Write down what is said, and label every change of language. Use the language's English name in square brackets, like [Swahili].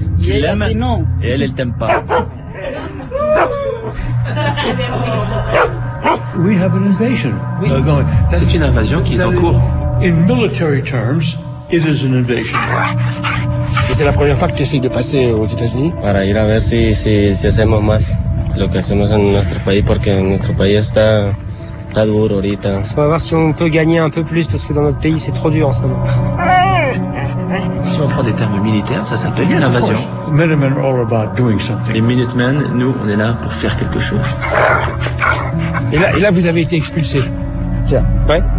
[French] tu et l'aimes, elle, non. Et elle, elle t'aime pas. [English] We have an invasion. [French] C'est une invasion qui est en cours. [English] In military terms, it is an invasion. [French] Et c'est la première fois que tu essayes de passer aux États-Unis. [Spanish] Para ir a ver si hacemos más lo que hacemos en nuestro país porque nuestro país está duro ahorita. [French] On va voir si on peut gagner un peu plus parce que dans notre pays c'est trop dur en ce moment. Si on prend des termes militaires, ça s'appelle une invasion. [English] Minutemen are all about doing something. [French] Les Minutemen, nous, on est là pour faire quelque chose. Et là, vous avez été expulsé. Tiens, ouais.